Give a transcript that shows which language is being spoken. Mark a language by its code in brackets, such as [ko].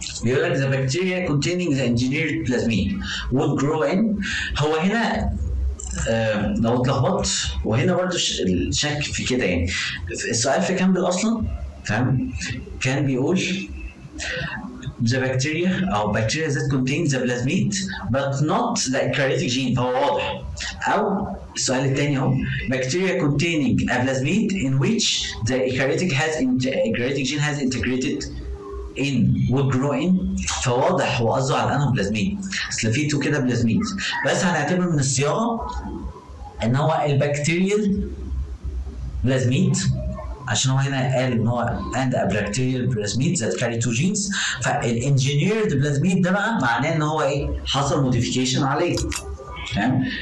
[ar] بيقول لك [en] the bacteria containing the engineered plasmid would grow in. [ar] هو هنا لو اتلخبط وهنا برضو الشك في كده، يعني السؤال في كامبل اصلا تمام كان بيقول [en] the bacteria or bacteria that contains the plasmid but not the eukaryotic gene. [ar] فهو واضح. او السؤال الثاني هو [en] bacteria containing a plasmid in which the eukaryotic has eukaryotic gene has integrated in would grow in. [ar] فواضح هو قصده على انهم بلازميد، بس لو في تو كده بلازميد، بس هنعتبر من الصياغه ان هو البكتيريال بلازميد، عشان هو هنا قال ان هو [en] and a bacterial plasmid that carry two genes. [ar] فالengineered plasmid ده بقى معناه ان هو ايه حصل modification عليه تمام.